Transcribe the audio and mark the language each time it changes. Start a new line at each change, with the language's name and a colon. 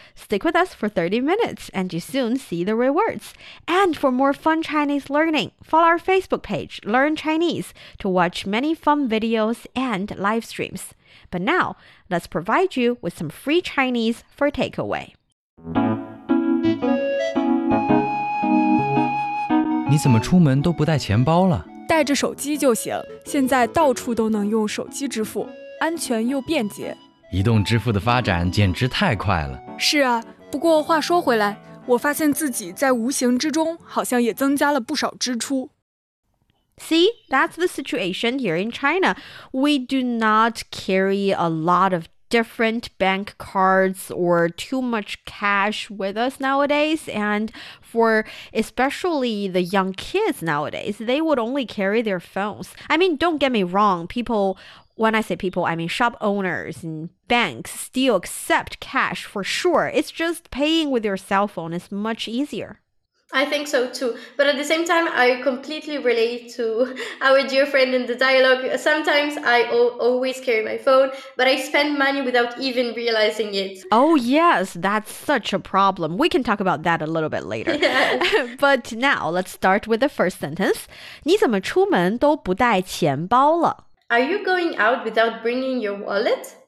English: Stick with us for 30 minutes and you soon see the rewards. And for more fun Chinese learning, follow our Facebook page, Learn Chinese, to watch many fun videos and live streams. But now, let's provide you with some free Chinese for takeaway.
Chinese: 你怎么出门都不带钱包了? 带着手机就行, 现在到处都能用手机支付, 安全又便捷。移动支付的发展简直太快了。是啊, 不过话说回来, 我发现自己在无形之中, 好像也增加了不少支出。
English: See, that's the situation here in China. We do not carry a lot of different bank cards or too much cash with us nowadays. And for especially the young kids nowadays, they would only carry their phones. I mean, don't get me wrong, people When I say people, I mean shop owners and banks still accept cash for sure. It's just paying with your cell phone is much easier. I think so too. But at the same time, I completely relate to our dear friend in the dialogue. Sometimes I always carry my phone, but I spend money without even realizing it. Oh yes, that's such a problem. We can talk about that a little bit later. Yes. But now let's start with the first sentence. 你怎么出门都不带钱包了? Are you going out without bringing your wallet?